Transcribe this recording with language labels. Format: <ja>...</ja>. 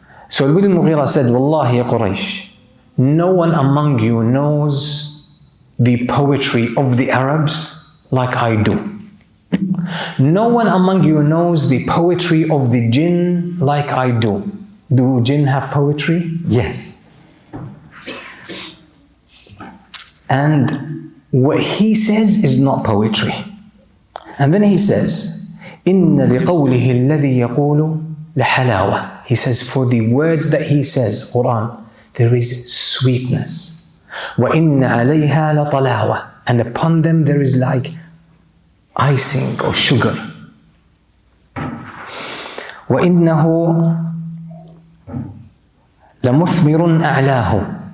<en>So Al-Wil al-Mughira said,</en> <ar>wallahi ya Quraysh,</ar> <en>no one among you knows the poetry of the Arabs like I do. No one among you knows the poetry of the jinn like I do. Do jinn have poetry? Yes. And what he says is not poetry. And then he says,</en> <ar>إِنَّ لِقَوْلِهِ الَّذِي يَقُولُ لَحَلَاوَةً.</ar> <en>He says, for the words that he says, Quran, there is sweetness.</en> <ar>وَإِنَّ عَلَيْهَا لَطَلَاوَةً.</ar> <en>And upon them there is like icing or sugar.</en> <ar>وَإِنَّهُ لَمُثْمِرٌ أَعْلَاهُ.</ar>